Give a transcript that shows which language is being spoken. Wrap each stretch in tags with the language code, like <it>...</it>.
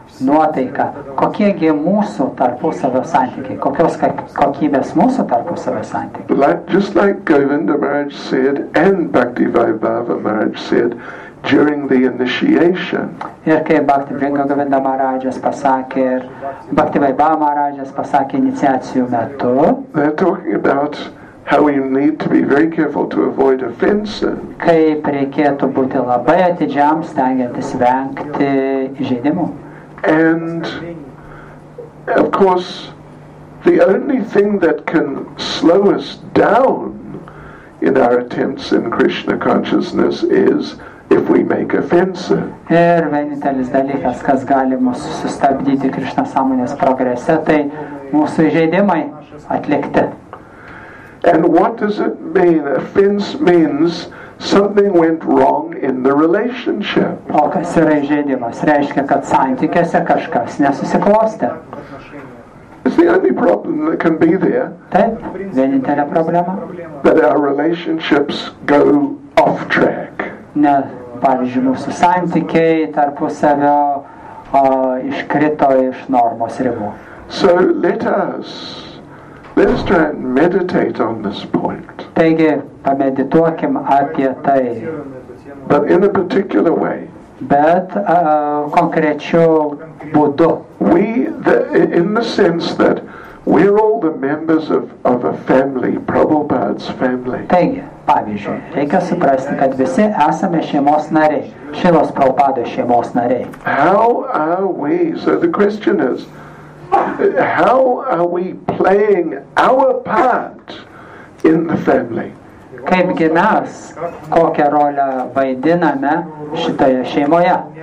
<lt>nuotaika, kokiegi mūsų tarpusavio santykiai, kokios kokybės mūsų tarpusavio santykiai.</lt> <en>Like, just like Govinda Maharaj said and Bhakti Vaibhava Maharaj said during the initiation.</en> <lt>Ir kai Govinda Maharajas pasakė ir Bhakti Vaibhava Maharajas pasakė iniciacijų metu.</lt> <en>They're talking about how we need to be very careful to avoid offense.</en> <lt>Kaip reikėtų būti labai atidžiam, stengiantis vengti įžeidimų.</lt> <en>And of course, the only thing that can slow us down in our attempts in Krishna consciousness is if we make offense.</en> <lt>Ir vienintelis dalykas, kas gali mus sustabdyti Krishna sąmonės progrese, tai mūsų įžeidimai atlikti.</lt> <en>And what does it mean? Offense means something went wrong in the relationship.</en> <lt>O kas yra įžeidimas? Reiškia, kad santykiuose kažkas nesusiklostė.</lt> <en>It's the only problem that can be there.</en> <lt>Taip, vienintelė problema.</lt> <en>That our relationships go off track.</en> <lt>Ne, pavyzdžiui, mūsų santykiai tarpusavio iškrito iš normos ribų.</lt> <en>So let's try and meditate on this point.</en> <lt>Taigi, pamedituokim apie tai.</lt> <en>But in a particular way.</en> <lt>Bet konkrečiu būdu.</lt> <en>In the sense that we're all the members of a family, Prabhupada's family.</en> <lt>Taigi, pavyzdžiui, reikia suprasti, kad visi esame šeimos nariai, Šilos Prabhupados šeimos nariai.</lt> <en>How are we? So the question is, how are we playing our part in the family?</en> <lt>Kaipgi mes, kokią rolę vaidiname šitoje šeimoje?</lt>